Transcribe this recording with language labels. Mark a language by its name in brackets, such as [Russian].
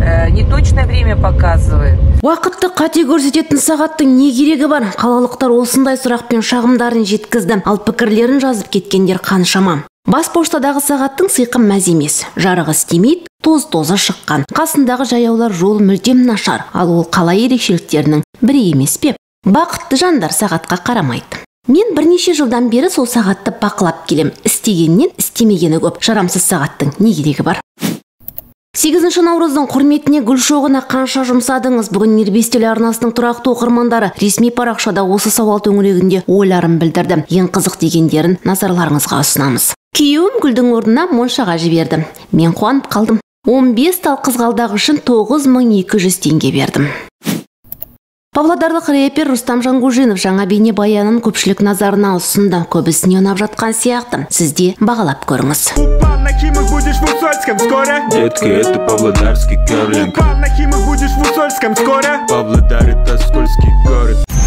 [Russian] Неточное время показывает. [Kazakh] Уақытты қате көрсететін сағаттың не керегі бар? Қалалықтар осындай сұрақпен шағымдарын жеткізді. Ал пікірлерін жазып кеткендер қаншама. Бас поштадағы сағаттың сиқы мәз емес. Жарығы істемейді, тоз-тозы шыққан. Қасындағы жаяулар жол мүлдем нашар. Ал ол қалай ерекшеліктерінің бірі емес пе? Бақытты жандар сағатқа қарамайды. Мен бірнеше жылдан бері сол сағатты бақылап келем. Істегеннен істемегені көп. Жарамсыз сағаттың не керегі бар? 8-ші наурыздың құрметіне гүл шоғына қанша жұмсадыңыз? Бүгін Ербес телеарнасының тұрақты оқырмандары ресми парақшада осы сауал төңірегінде ойларын білдірді. Ең қызық дегендерін назарларыңызға ұсынамыз. Күйеуім гүлдің орнына моншаға жібердім. Мен қуанып қалдым. 15 тал қызғалдақ үшін 9200 теңге бердім. Павлодарлық рэпер Рустам Жангужинов жаңа бейне баянын көпшілік назарына ұсынды. Көбісіне ұнап жатқан сияқты. Сізде бағалап көріңіз. [Russian] Детки, это павлодарский керлинг. Упал на химах, будешь в Усольском скоро. Павлодар — это скользкий город.